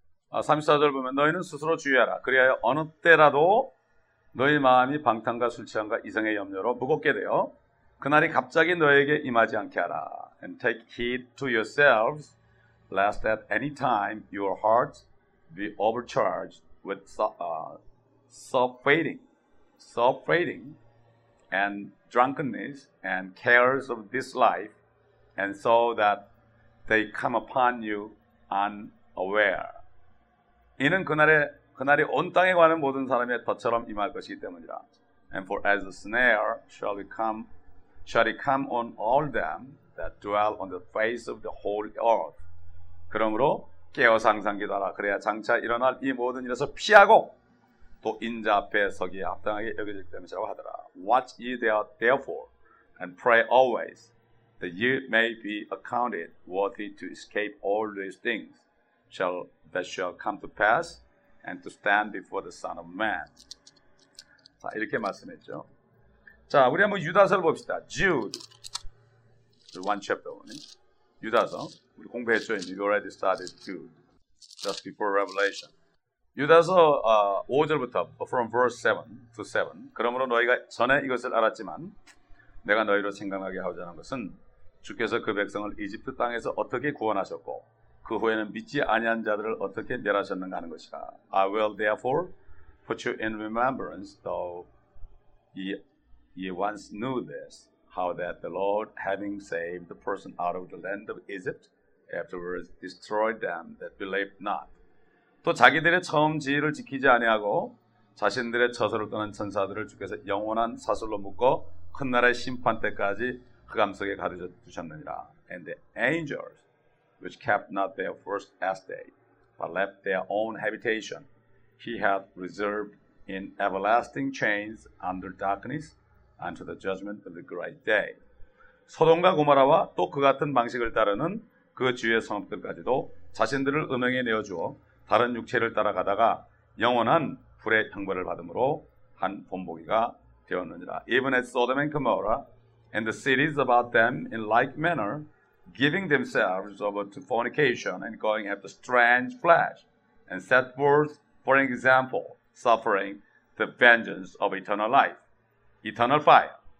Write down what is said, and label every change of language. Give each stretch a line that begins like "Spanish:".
Korean: 34절 보면 너희는 스스로 주의하라. 그리하여 어느 때라도 너희 마음이 방탕과 술 취함과 이성의 염려로 무겁게 되어 그날이 갑자기 너에게 임하지 않게 하라.
English: And take heed to yourselves, lest at any time your hearts be overcharged with surfeiting, and drunkenness, and cares of this life, and so that they come upon you unaware.
Korean: 이는 그날이 온 땅에 관한 모든 사람의 덫처럼 임할 것이기 때문이라.
English: And for as a snare shall it come on all them that dwell on the face of the whole earth.
Korean: 그러므로 깨어 항상 기도하라. 그래야 장차 일어날 이 모든 일에서 피하고 또 인자 앞에 서기에 합당하게 여겨질 것이라고 하더라.
English: Watch ye therefore and pray always that ye may be accounted worthy to escape all these things that shall come to pass and to stand before the Son of Man.
Korean: 자, 이렇게 말씀했죠. 자, 우리 한번 유다서를 봅시다.
English: Jude. One chapter only. 유다서.
Korean: 우리 공부했죠.
English: We already started Jude. Just before Revelation.
Korean: 유다서 5절부터
English: from verse 7 to 7.
Korean: 그러므로 너희가 전에 이것을 알았지만 내가 너희로 생각나게 하고자 하는 것은 주께서 그 백성을 이집트 땅에서 어떻게 구원하셨고 그 후에는 믿지 아니한 자들을 어떻게 멸하셨는가 하는 것이라.
English: I will therefore put you in remembrance, though ye once knew this, how that the Lord, having saved the person out of the land of Egypt, afterwards destroyed them that believed not.
Korean: 또 자기들의 처음 지위를 지키지 아니하고 자신들의 처소를 떠난 천사들을 주께서 영원한 사슬로 묶어 큰 나라의 심판 때까지 흑암 속에 가두어 두셨느니라.
English: And the angels which kept not their first estate, but left their own habitation, he hath reserved in everlasting chains under darkness unto the judgment of the great day.
Korean: 소돔과 고모라와 또 그 같은 방식을 따르는 그 주의 성읍들까지도 자신들을 음행에 내어주어 다른 육체를 따라가다가 영원한 불의 형벌을 받음으로 한 본보기가 되었느니라.
English: Even as Sodom and Gomorrah and the cities about them in like manner, giving themselves over to fornication and going after strange flesh, and set forth for an example, suffering the vengeance of eternal life, eternal fire.